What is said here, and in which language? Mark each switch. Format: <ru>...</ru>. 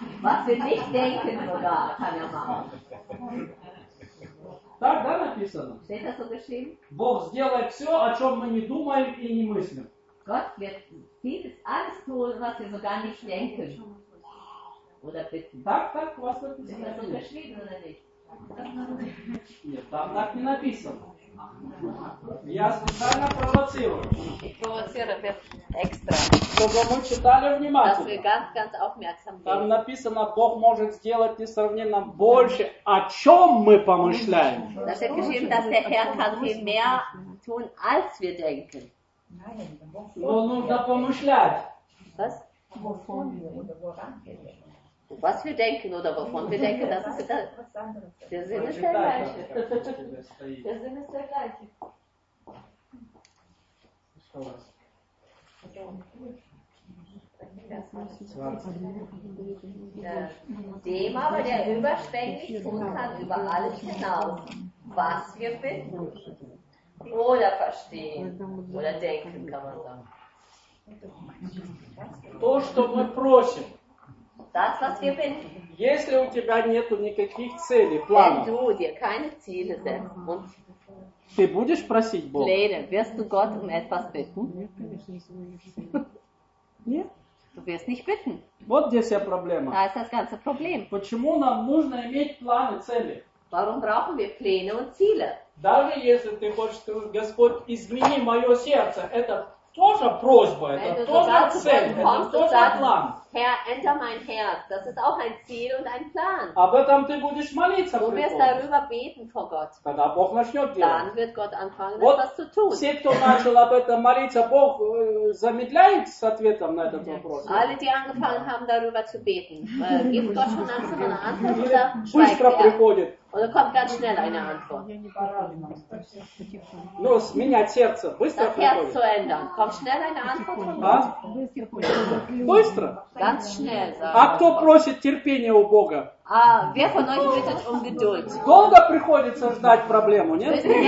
<de>Was wir nicht denken, oder kann er machen.</de> <ru>Так, да, написано?</ru> <de>Steht das so geschrieben?</de> <ru>Бог сделает все, о чем мы не думаем и не мыслим.</ru> <de>Gott wird vieles alles tun, was wir sogar nicht denken. Oder bitten.</de> <ru>Так, так, у вас написано?</ru> <de>Steht das so geschrieben, oder nicht?</de> <ru>Нет, там так не написано. Я специально провоцирую. Экстра. Чтобы мы читали внимательно.</ru> <de>Ganz aufmerksam.</de> <ru>Там написано, Бог может сделать несравненно больше, о чем мы помышляем.</ru> <de>Da steht geschrieben, dass der Herr kann viel mehr tun, als wir denken.</de> <ru>Но нужно помышлять.</ru> <de>Was? Wovon wir oder woran wir denken. Was wir denken oder wovon wir denken, das ist das. Der Sinn ist der gleiche. Der Sinn ist der gleiche. Dem aber, der überschwänglich tun kann, über alles hinaus, was wir bitten oder verstehen oder denken, kann man sagen.</de> <ru>То, что мы просим.</ru> <de>Das, was wir bitten.</de> <ru>Если у тебя нету никаких целей, планов.</ru> <de>Wenn du dir keine Ziele setzt und</de> <ru>ты будешь просить Бога?</ru> <de>Lede, wirst du Gott um etwas bitten?</de> <ru>Нет.</ru> <de>Du wirst nicht bitten.</de> <ru>Вот где вся проблема.</ru> <de>Da ist das ganze Problem.</de> <ru>Почему нам нужно иметь планы, цели?</ru> <de>Warum brauchen wir Pläne und Ziele?</de> <ru>Даже если ты хочешь, Господь, измени мое сердце, это тоже просьба, это тоже цель, это тоже план.</ru> <de>Herr, enter mein Herz. Das ist auch ein Ziel und ein Plan. Aber dann du</de> <ru>будешь молиться.</ru> <de>Du wirst darüber beten vor Gott.</de> <ru>Когда Бог начнет делать.</ru> <de>Dann wird Gott anfangen, etwas zu tun.</de> <ru>Все, кто начал об этом молиться, Бог замедляет с ответом на этот вопрос.</ru> <de>Alle, die angefangen haben, darüber zu beten, gibt Gott schon langsam eine Antwort oder schweigt er?</de> <ru>Быстро приходит.</ru> <de>Oder kommt ganz schnell eine Antwort.</de> <ru>Ну, сменять сердце. Быстро приходит.</ru> <de>Das Herz zu ändern. Kommt schnell eine Antwort von Gott.</de> <ru>Быстро.</ru> <de>Ganz schnell, sagen wir.</de> <ru>А кто просит терпения у Бога?</ru> <de>А, wer von euch bittet um Geduld?</de> <ru>Долго приходится ждать проблему, нет?</ru>